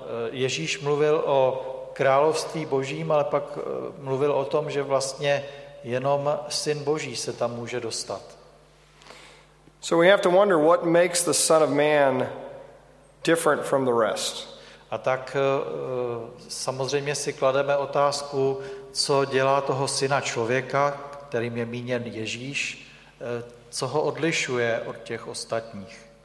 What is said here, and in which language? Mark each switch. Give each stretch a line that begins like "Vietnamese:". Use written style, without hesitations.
Czech: Ježíš mluvil o království Božím, ale pak mluvil o tom, že vlastně jenom Syn Boží se tam může dostat.
English: So we have to wonder what makes the Son of Man different from the rest.
Czech: A tak samozřejmě si klademe otázku, co dělá toho Syna člověka, kterým je míněn Ježíš, co ho odlišuje od těch ostatních.